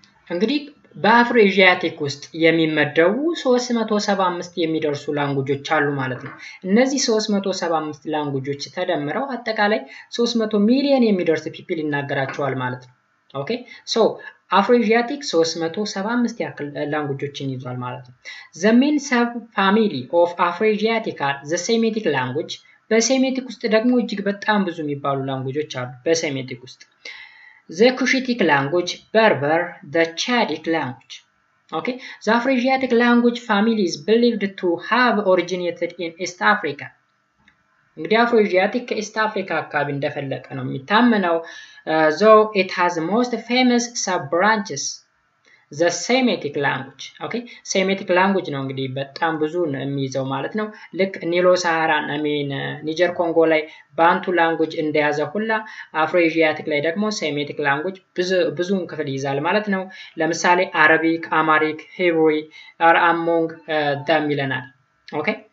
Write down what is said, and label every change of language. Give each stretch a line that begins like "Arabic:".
Amharic: እንግዲህ በአፍሮኤዥያቲክ ውስጥ የሚመደቡ 375 የሚደርሱ ላንጉጆች አሉ ማለት ነው። እነዚህ 375 ላንጉጆች ተደምረው አጠቃላይ 300 ሚሊዮን የሚደርስ ፒፕል ይናገራቸዋል ማለት ነው። ኦኬ ሶ አፍሮኤዥያቲክ 375 ያክል ላንጉጆችን ይዟል ማለት ነው።
English: the main sub family of afroasiatic are the semitic language.
Amharic: በሴሜቲክ ውስጥ ደግሞ እጅግ በጣም ብዙ የሚባሉ ላንጉጆች አሉ በሴሜቲክ ውስጥ።
English: the Cushitic language Berber, the Chadic language. okay the Afroasiatic language family is believed to have originated in East Africa.
Amharic: እንግዲህ አፍሮኤዥያቲክ ከኢስት አፍሪካ አካባቢ እንደፈለቀ ነው የሚታመነው።
English: so it has most famous sub branches the Semitic language.
Amharic: okay Semitic language ነው እንግዲህ በጣም ብዙ የሚይዘው ማለት ነው። ልክ ኒሎ ሳሃራ አሜን ኒጀር ኮንጎ ላይ ባንቱ ላንጉጅ እንደያዘ ሁላ አፍሮኤዥያቲክ ላይ ደግሞ ሴሜቲክ ላንጉጅ ብዙውን ክፍል ይዛል ማለት ነው። ለምሳሌ አረቢክ፣ አማሪክ፣
English: ሂብሪ አር አሞንግ ዳም
Amharic: ይለናል። ኦኬ